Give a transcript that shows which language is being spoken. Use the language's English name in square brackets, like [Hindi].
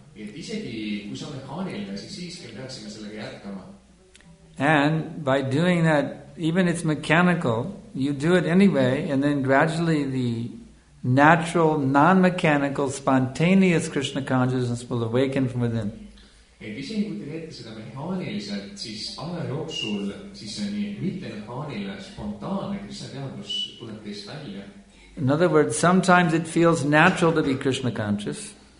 [Estonian] Et isegi kui sa mehaaniline, siiski peaksime sellega jätkama. [English] And by doing that, even it's mechanical, you do it anyway, and then gradually the natural, non-mechanical, spontaneous Krishna consciousness will awaken from within. [Estonian] Et isegi kui te teete seda mehaaniliselt, siis aja jooksul, siis see nii mittemehaaniline, spontaane Krishna teadus tuleb teist välja. [English] In other words, sometimes it feels natural to be Krishna conscious.